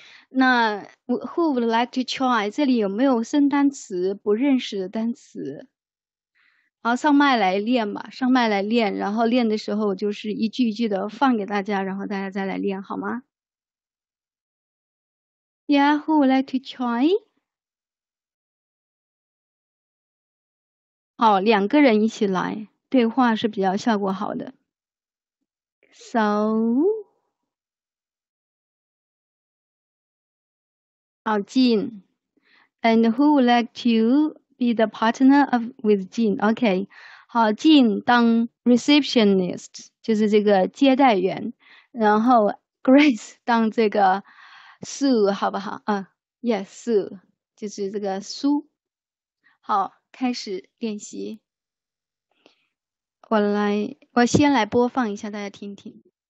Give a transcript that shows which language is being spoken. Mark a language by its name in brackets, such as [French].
[English] 那 who would like to try? [Chinese] 这里有没有生单词不认识的单词？好，上麦来练吧，上麦来练，然后练的时候就是一句一句的放给大家，然后大家再来练，好吗？ [English] Yeah, who would like to try? [Chinese] 好，两个人一起来对话是比较效果好的。 [English] So, 好 Jean, and who would like to be the partner of with Jean? [Chinese] Okay, 好 Jean 当 receptionist 就是这个接待员，然后 Grace 当这个 Sue 好不好？ Yes, Sue 就是这个苏，好。开始练习，我先来播放一下，大家听听。